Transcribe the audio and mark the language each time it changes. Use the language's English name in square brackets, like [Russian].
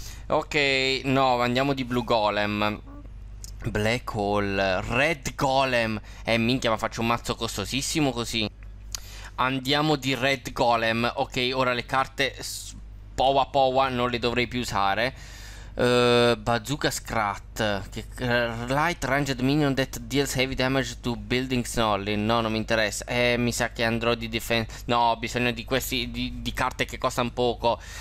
[Italian] Ok, no, andiamo di Blue Golem. Black Hole, Red Golem. Minchia, ma faccio un mazzo costosissimo così. Andiamo di Red Golem. Ok, ora le carte Powa Powa non le dovrei più usare. [English] Bazooka Scrat, Light Ranged Minion that deals heavy damage to buildings only. [Italian] No, non mi interessa. Mi sa che andrò di defense. No, ho bisogno di questi di carte che costano poco.